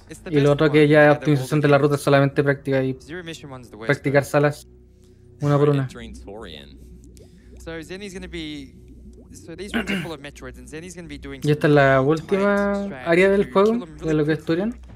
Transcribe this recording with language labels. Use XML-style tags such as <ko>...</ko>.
<es>Y lo otro que ya es optimización de la ruta solamente práctica y practicar salas una por una.</es> <en>So Zenny's gonna be. So these rooms are full of Metroids, and Zenny's gonna be doing.</en> <es>Y esta es la última área del juego de lo que es Turian.</es>